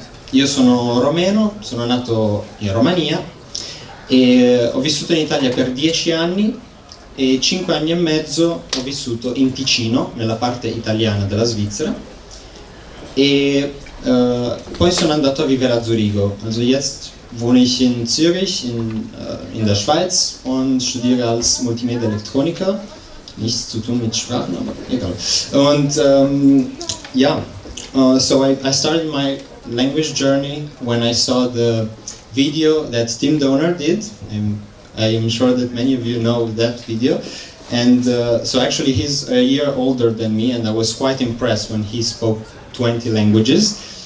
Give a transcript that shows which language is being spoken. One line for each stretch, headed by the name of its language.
Italian: Io sono romeno, sono nato in Romania e ho vissuto in Italia per 10 anni e 5 anni e mezzo ho vissuto in Ticino, nella parte italiana della Svizzera. E poi sono andato a vivere a Zurigo.
German: Also jetzt wohne ich in Zürich in der Schweiz und studiere als Multimedia Elektroniker. Nichts zu tun mit Sprachen, aber egal. Und so
English: I started my language journey when I saw the video that Tim Donner did. I am sure that many of you know that video. And so actually he's a year older than me, and I was quite impressed when he spoke 20 languages.